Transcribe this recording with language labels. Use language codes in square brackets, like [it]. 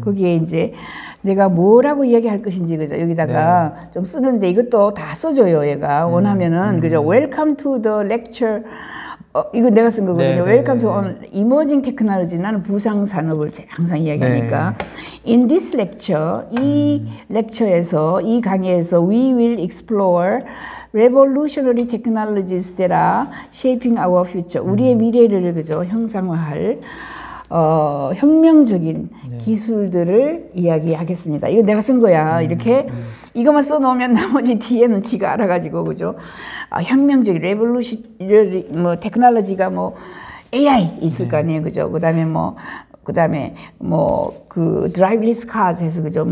[ko] 거기에 이제 내가 뭐라고 이야기할 것인지 그죠 여기다가 네. 좀 쓰는데 이것도 다 써줘요 얘가 원하면은 그죠 [en] Welcome to the lecture [ko] 이거 내가 쓴 거거든요 네, Welcome 네, to 네. [en] Emerging Technology [ko] 나는 부상 산업을 항상 이야기하니까 네. [en] In this lecture [ko] 이 lecture에서 이 강의에서 [en] We will explore revolutionary technologies that are shaping our future [ko] 우리의 미래를 그죠 형상화할 혁명적인 네. 기술들을 이야기하겠습니다. 이거 내가 쓴 거야. 이렇게 이것만 써놓으면 나머지 뒤에는 지가 알아가지고 그죠? 혁명적인 레볼루션이 뭐 테크놀로지가 뭐 AI 있을 네. 거 아니에요, 그죠? 그다음에 뭐 그다음에 뭐 그 드라이브리스 카즈 해서 그죠?